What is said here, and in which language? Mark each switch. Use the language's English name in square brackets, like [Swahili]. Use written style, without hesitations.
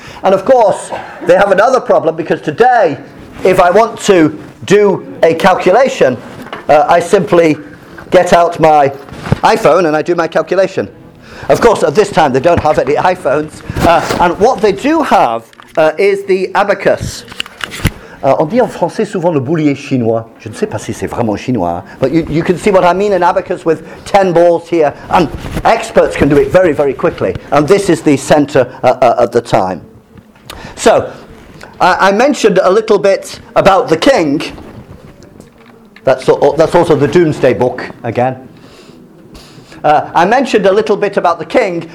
[English] And of course, they have another problem, because today, if I want to do a calculation, I simply get out my iPhone and I do my calculation. Of course, at this time, they don't have any iPhones. And what they do have is the abacus. [French] On dit en français souvent le boulier chinois. Je ne sais pas si c'est vraiment chinois. [English] But you can see what I mean, an abacus with 10 balls here. And experts can do it very, very quickly. And this is the center at the time. So, I mentioned a little bit about the king. That's also the Doomsday Book again. I mentioned a little bit about the king.